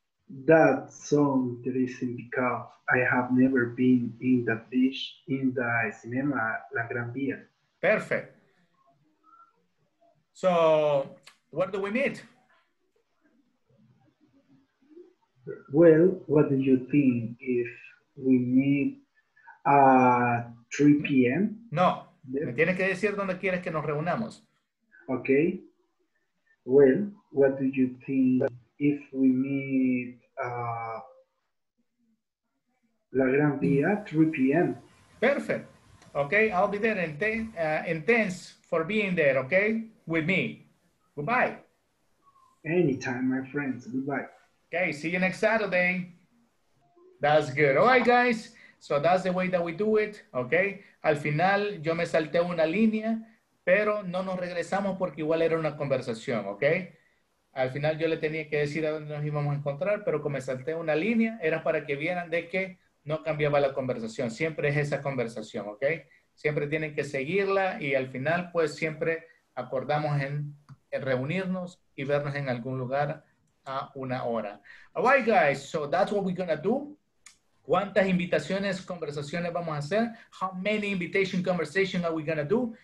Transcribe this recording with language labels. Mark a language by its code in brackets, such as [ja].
[en] That's so interesting because I have never been in the dish in the cinema La Gran Vía. Perfect. So, where do we meet? Well, what do you think if we meet at 3 p.m.? [es] No, me tienes que decir dónde quieres que nos reunamos. [en] Okay. Well, what do you think if we meet La Gran Vía at 3 p.m.? Perfect. Okay, I'll be there intense for being there, okay, with me. Goodbye. Anytime, my friends. Goodbye. Okay, see you next Saturday. That's good. All right, guys. So that's the way that we do it, okay? [es] Al final, yo me salté una línea, pero no nos regresamos porque igual era una conversación, okay? Al final, yo le tenía que decir a dónde nos íbamos a encontrar, pero como me salté una línea, era para que vieran de que no cambiaba la conversación. Siempre es esa conversación, okay? Siempre tienen que seguirla y al final, pues, siempre acordamos en reunirnos y vernos en algún lugar a una hora. [en] All right, guys, so that's what we're gonna do. [es] ¿Cuántas invitaciones, conversaciones vamos a hacer? [en] How many invitation conversations are we gonna do?